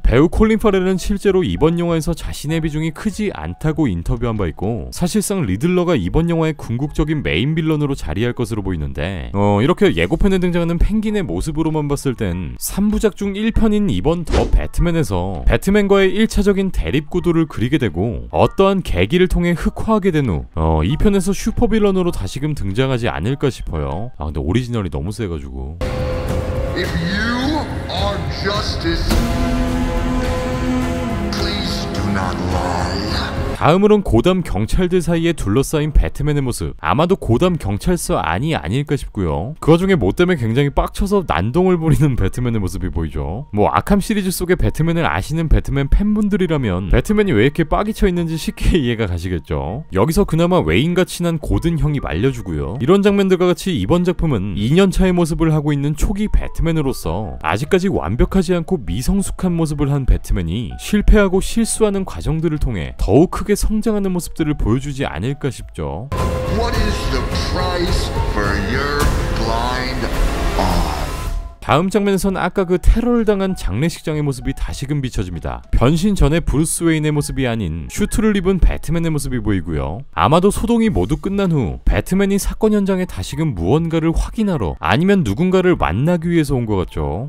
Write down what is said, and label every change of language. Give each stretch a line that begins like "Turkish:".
Korean: 배우 콜린 파렐은 실제로 이번 영화에서 자신의 비중이 크지 않다고 인터뷰한 바 있고, 사실상 리들러가 이번 영화의 궁극적인 메인 빌런으로 자리할 것으로 보이는데, 이렇게 예고편에 등장하는 펭귄의 모습으로만 봤을 땐 3부작 중 1편인 이번 더 배트맨에서 배트맨과의 1차적인 대립 구도를 그리게 되고, 어떠한 계기를 통해 흑화하게 된 후 2편에서 슈퍼빌런으로 다시금 등장하지 않을까 싶어요. 아, 근데 오리지널이 너무 세가지고.
English: If you are justice, please do not lie.
Korean: 다음으론 고담 경찰들 사이에 둘러싸인 배트맨의 모습. 아마도 고담 경찰서 안이 아닐까 싶고요. 그 와중에 뭐 때문에 굉장히 빡쳐서 난동을 부리는 배트맨의 모습이 보이죠. 뭐 아캄 시리즈 속의 배트맨을 아시는 배트맨 팬분들이라면 배트맨이 왜 이렇게 빡이 쳐 있는지 쉽게 이해가 가시겠죠. 여기서 그나마 웨인과 친한 고든 형이 말려주고요. 이런 장면들과 같이 이번 작품은 2년차의 모습을 하고 있는 초기 배트맨으로서 아직까지 완벽하지 않고 미성숙한 모습을 한 배트맨이 실패하고 실수하는 과정들을 통해 더욱 크게 성장하는 모습들을 보여주지 않을까 싶죠.
English: What is the price for your blind eye?
Korean: 다음 장면에선 아까 그 테러를 당한 장례식장의 모습이 다시금 비춰집니다. 변신 전에 브루스 웨인의 모습이 아닌 슈트를 입은 배트맨의 모습이 보이고요. 아마도 소동이 모두 끝난 후 배트맨이 사건 현장에 다시금 무언가를 확인하러, 아니면 누군가를 만나기 위해서 온 것 같죠.